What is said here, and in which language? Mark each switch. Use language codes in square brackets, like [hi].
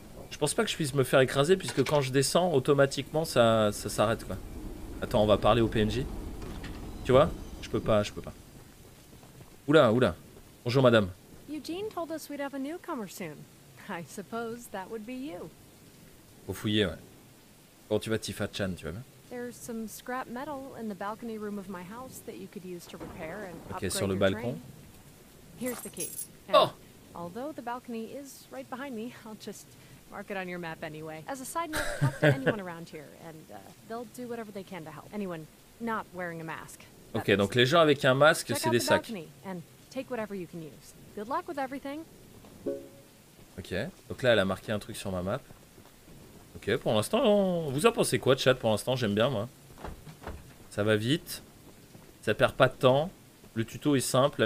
[fr] Je pense pas que je puisse me faire écraser, puisque quand je descends, automatiquement, ça s'arrête, quoi. Attends, on va parler au PNJ. Tu vois? Je peux pas. Oula. Bonjour madame. [en] Eugene told us we'd have a newcomer soon. I suppose that would be you. [fr] Faut fouiller, ouais. Quand tu vas Tifa Chan, tu vas bien. [en] There's some scrap metal in the balcony room of my house that you could use to repair and upgrade your [fr] train. Ok, sur le balcon. [en] Here's the key. Oh. Although the balcony is right behind me, I'll just mark it on your map anyway. As a side note, talk to anyone around here and they'll do whatever they can to help. Anyone not wearing a mask. [fr] Ok, donc les gens avec un masque, c'est des sacs. Ok, donc là, elle a marqué un truc sur ma map. Ok, pour l'instant, vous en pensez quoi, chat? Pour l'instant, j'aime bien, moi. Ça va vite. Ça perd pas de temps. Le tuto est simple.